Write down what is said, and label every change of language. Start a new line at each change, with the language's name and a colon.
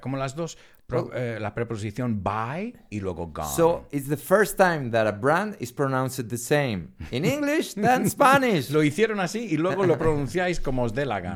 Spanish: Como las dos, la preposición by y luego gone.
English: So it's the first time that a brand is pronounced the same in English than Spanish.
Spanish: Lo hicieron así y luego lo pronunciáis como os dé la gana.